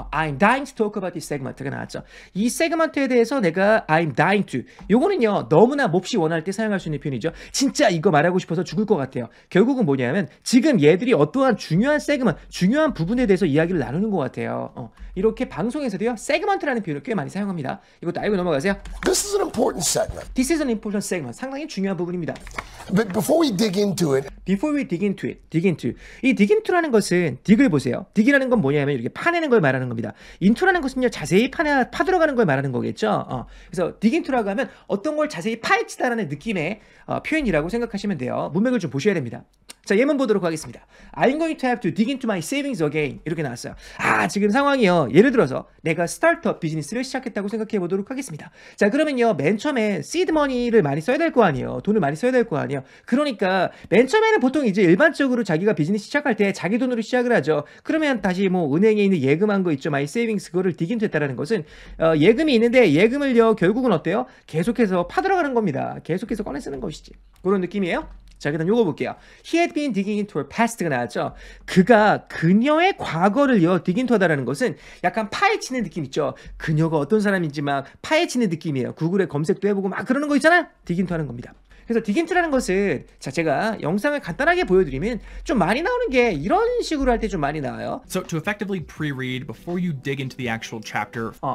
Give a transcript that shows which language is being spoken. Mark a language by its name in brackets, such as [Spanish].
[English] I'm dying to talk about this segment가 [Korean] 나왔죠. 이 세그먼트에 대해서 내가 [English] I'm dying to. [Korean] 요거는요, 너무나 몹시 원할 때 사용할 수 있는 표현이죠. 진짜 이거 말하고 싶어서 죽을 것 같아요. 결국은 뭐냐면 지금 얘들이 어떠한 중요한 세그먼트, 중요한 부분에 대해서 이야기를 나누는 것 같아요. 이렇게 방송에서도요, 세그먼트라는 표현을 꽤 많이 사용합니다. 이것도 알고 넘어가세요. [English] This is an important segment. This is an important segment. [Korean] 상당히 중요한 부분입니다. [English] But before we dig into it. Before we dig into it. Dig into. [Korean] 이 dig into라는 것은 dig을 보세요. Dig이라는 건 뭐냐면 이렇게 파내는 걸 말하는 겁니다. Into라는 것은요, 자세히 파들어가는 걸 말하는 거겠죠. 그래서 dig into라고 하면 어떤 걸 자세히 파헤치다라는 느낌의 표현이라고 생각하시면 돼요. 문맥을 좀 보셔야 됩니다. 자, 예문 보도록 하겠습니다. [English] I'm going to have to dig into my savings again. [Korean] 이렇게 나왔어요. 아, 지금 상황이요. 예를 들어서 내가 스타트업 비즈니스를 시작했다고 생각해 보도록 하겠습니다. 자, 그러면요. 맨 처음에 시드 머니를 많이 써야 될 거 아니에요. 돈을 많이 써야 될 거 아니에요. 그러니까 맨 처음에는 보통 이제 일반적으로 자기가 비즈니스 시작할 때 자기 돈으로 시작을 하죠. 그러면 다시 뭐 은행에 있는 예금 한 거 있죠. [English] My savings [Korean] 그거를 dig into 했다라는 것은 예금이 있는데 예금을요. 결국은 어때요? 계속해서 파들어가는 겁니다. 계속해서 꺼내 쓰는 것이지. 그런 느낌이에요. 자, 그 다음 요거 볼게요. [English] He had been digging into her past가 [Korean] 나왔죠. 그가 그녀의 과거를요, dig into 하다라는 것은 약간 파헤치는 느낌 있죠. 그녀가 어떤 사람인지 막 파헤치는 느낌이에요. 구글에 검색도 해보고 막 그러는 거 있잖아요. dig into 하는 겁니다. 그래서 dig into라는 것은 자, 제가 영상을 간단하게 보여드리면 좀 많이 나오는 게 이런 식으로 할 때 좀 많이 나와요. [English] So to effectively pre-read before you dig into the actual chapter.